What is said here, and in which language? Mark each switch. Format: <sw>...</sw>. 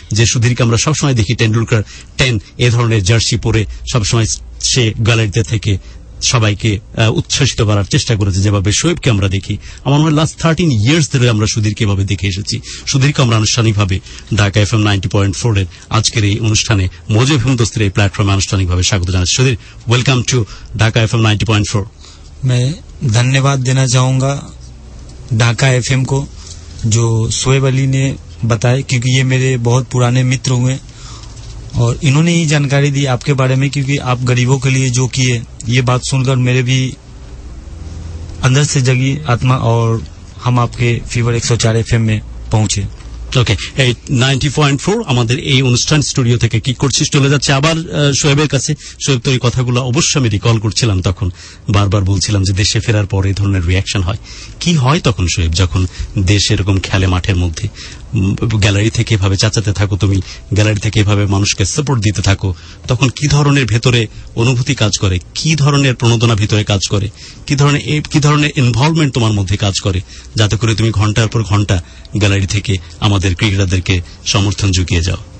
<bn>যে সুধীরকে আমরা সবসময় দেখি টেন্ডুলকার 10 এ ধরনের জার্সি পরে সবসময় সে গ্যালারিতে থেকে সবাইকে উচ্ছ্বসিত করার চেষ্টা করেছে, যেভাবে শোয়েবকে আমরা দেখি। আমার মনে হয় লাস্ট 13 ইয়ার্স ধরে আমরা সুধীরকে এভাবে দেখে এসেছি। সুধীরকে আমরা আনুষ্ঠানিকভাবে ঢাকা এফ এম 90.4 এর আজকের এই অনুষ্ঠানে মজো এফএম দোস্তির এই প্ল্যাটফর্মে আনুষ্ঠানিকভাবে স্বাগত জানাচ্ছি।</bn> <en>Sudhir, welcome to Dhaka F M 90.4।</en> <hi>मैं धन्यवाद देना चाहूंगा ढाका एफएम को, जो शोएब अली ने बताया, क्योंकि ये मेरे बहुत पुराने मित्र हुए और इन्होंने ही जानकारी दी आपके बारे में, क्योंकि आप गरीबों के लिए जो किए, ये बात सुनकर मेरे भी अंदर से जगी आत्मा और हम आपके फीवर 104 एफएम में पहुंचे।</hi> <bn>ওকে, এই 90.4 আমাদের এই অনুষ্ঠান স্টুডিও থেকে কি করছিস চলে যাচ্ছে আবার শোয়েবের কাছে। শোয়েব, তো এই কথাগুলো অবশ্যই আমি রিকল করছিলাম, তখন বারবার বলছিলাম যে দেশে ফেরার পর এই ধরনের রিয়াকশন হয়, কি হয় তখন শোয়েব যখন দেশ এরকম খেলে মাঠের মধ্যে, গ্যালারি থেকে এভাবে চাচাতে থাকো তুমি, গ্যালারি থেকে এভাবে মানুষকে সাপোর্ট দিতে থাকো, তখন কি ধরনের ভেতরে অনুভূতি কাজ করে, কি ধরনের প্রণোদনা ভিতরে কাজ করে, কি ধরনের ইনভলভমেন্ট তোমার মধ্যে কাজ করে, যাতে করে তুমি ঘন্টার পর ঘন্টা গ্যালারি থেকে আমাদের ক্রিকেটারদেরকে সমর্থন জুগিয়ে যাও?</bn>